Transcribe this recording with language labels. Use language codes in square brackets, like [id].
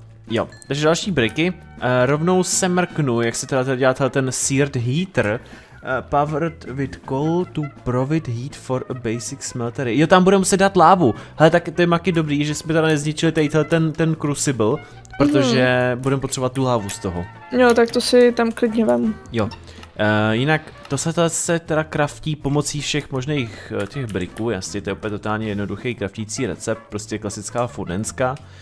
[cs] Jo, takže další bricky. Rovnou se mrknu, jak se teda dělá ten seared heater. [en] Powered with coal to provide heat for a basic smeltery. [cs] Jo, tam bude muset dát lávu. Hele, tak to je maky dobrý, že jsme teda nezničili tady ten crucible, protože budeme potřebovat tu lávu z toho. Jo, tak to si tam klidně vem. Jo, jinak to se teda kraftí pomocí všech možných těch briků, jasně, to je opět totálně jednoduchý kraftící recept, prostě klasická fudenská.